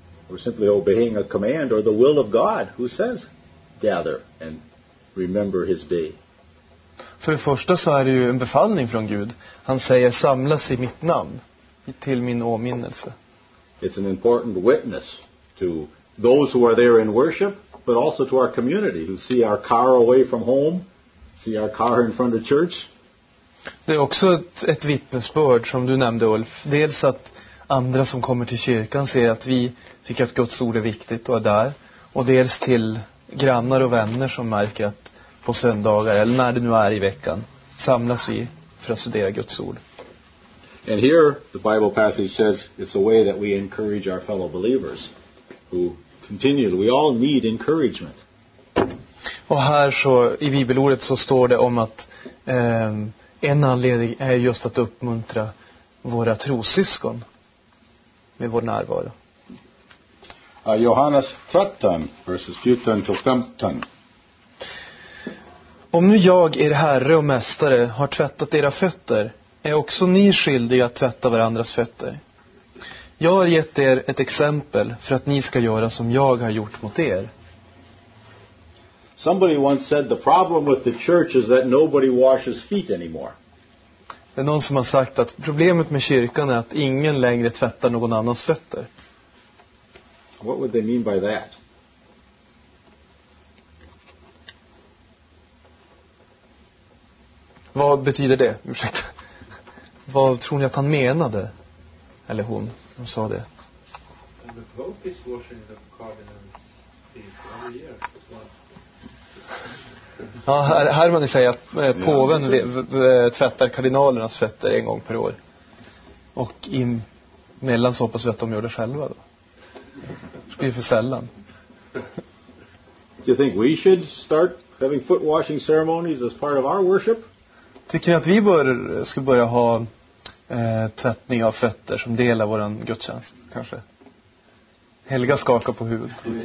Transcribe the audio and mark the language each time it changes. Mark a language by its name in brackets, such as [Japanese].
[English] We're simply obeying a command or the will of God who says, gather and remember his day. [Swedish] För det första så är det ju en befallning från Gud. Han säger, samlas i mitt namn, till min åminnelse. [English] It's an important witness to those who are there in worship, but also to our community who see our car away from home. See our car in front of church. [Swedish] Det är också ett vittnesbörd, som du nämnde, Ulf. Dels att andra som kommer till kyrkan ser att vi tycker att Guds ord är viktigt och är där. Och dels till grannar och vänner som märker att på söndagar, eller när det nu är i veckan, samlas vi för att studera Guds ord. [English] And here the Bible passage says it's a way that we encourage our fellow believers who continue. We all need encouragement. [Swedish] Och här så i bibelordet så står det om att en anledning är just att uppmuntra våra trossyskon med vår närvaro. [English] Johannes 13, verses 14-15. [Swedish] Om nu jag, er herre och mästare, har tvättat era fötter, är också ni skyldiga att tvätta varandras fötter. Jag har gett er ett exempel för att ni ska göra som jag har gjort mot er. [English] Somebody once said the problem with the church is that nobody washes feet anymore. [Swedish] Det är någon som har sagt att problemet med kyrkan är att ingen längre tvättar någon annans fötter. What would they mean by that? Vad betyder det? Ursäkta. Vad tror ni att han menade? Eller hon, de sa det. [English] And the Pope is washing the cardinals' feet every year. [Swedish] Herman säger att påven tvättar kardinalernas fötter en gång per år. Och emellan så hoppas vi att de gör det själva då. Det blir för sällan. [English] Do you think we should start having foot washing ceremonies as part of our worship? [Swedish] Tycker ni att vi ska börja ha tvättning av fötter som del av våran gudstjänst kanske? Helga skakar på huvudet.